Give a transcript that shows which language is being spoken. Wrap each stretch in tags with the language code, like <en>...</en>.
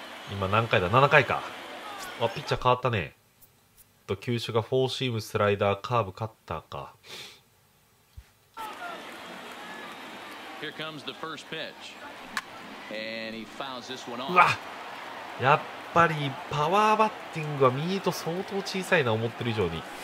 <ja>今何回だ、7回か。あ、ピッチャー変わったね。と球種がフォーシーム、スライダー、カーブ、カッターか。</ja> <en>Here comes the first pitch. And he fouls this one off.</en> <ja>うわ、やっぱりパワーバッティングはミート相当小さいな、思ってる以上に。</ja>